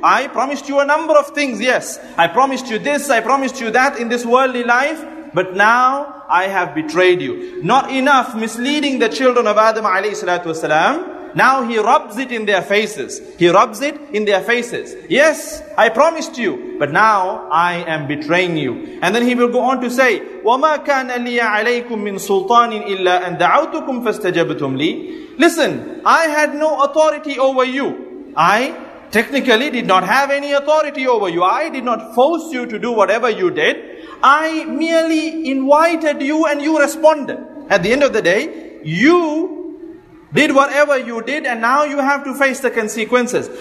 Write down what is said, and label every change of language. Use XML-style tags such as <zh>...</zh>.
<en>I promised you a number of things, yes. I promised you this, I promised you that in this worldly life, but now I have betrayed you. Not enough misleading the children of Adam alayhi salatu wasalam. Now he rubs it in their faces. He rubs it in their faces. Yes, I promised you, but now I am betraying you. And then he will go on to say,</en> <ar>وَمَا كَانَ لِيَ عَلَيْكُم مِّن سُلْطَانٍ إِلَّا أَن دَعَوْتُكُمْ فَاسْتَجَبْتُمْ لِي.</ar> <en>Listen, I had no authority over you. I technically did not have any authority over you. I did not force you to do whatever you did. I merely invited you and you responded. At the end of the day, you did whatever you did, and now you have to face the consequences.</en>